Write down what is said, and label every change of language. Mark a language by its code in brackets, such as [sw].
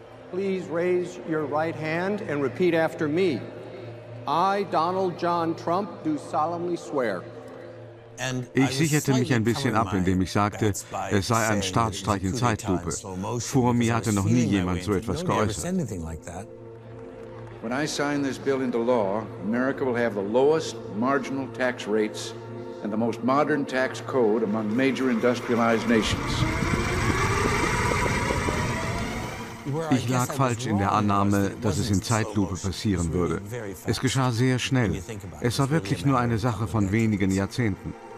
[en] Please raise your right hand and repeat after me. I, Donald John Trump, do solemnly swear. [de] Ich sicherte mich ein bisschen ab, indem ich sagte, es sei ein Staatsstreich in Zeitlupe. Vor mir hatte noch nie jemand so etwas geäußert. [en] When I sign this bill into law, America will have the lowest marginal tax rates and the most modern tax code among major industrialized nations. [de] Ich lag falsch in der Annahme, dass es in Zeitlupe passieren würde. Es geschah sehr schnell. Es war wirklich nur eine Sache von wenigen Jahrzehnten.